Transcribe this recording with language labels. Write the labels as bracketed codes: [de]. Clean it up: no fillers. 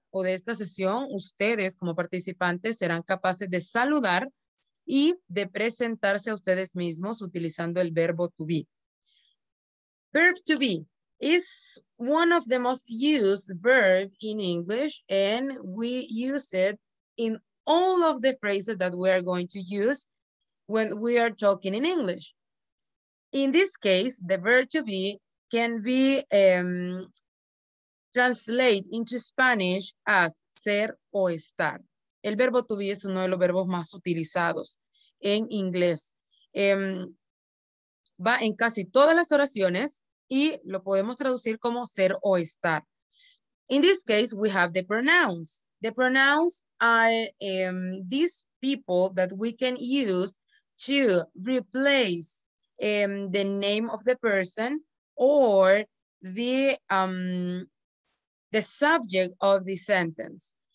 [es] O de esta sesión, ustedes como participantes serán capaces de saludar y de presentarse a ustedes mismos utilizando el verbo to be. [en] Verb to be is one of the most used verbs in English, and we use it in all of the phrases that we are going to use when we are talking in English. In this case, the verb to be can be translated into Spanish as [es] ser o estar. El verbo to be es uno de los verbos más utilizados en inglés. Va en casi todas las oraciones, y lo podemos traducir como ser o estar. [en] In this case, we have the pronouns. The pronouns are these people that we can use to replace the name of the person or the subject of the sentence.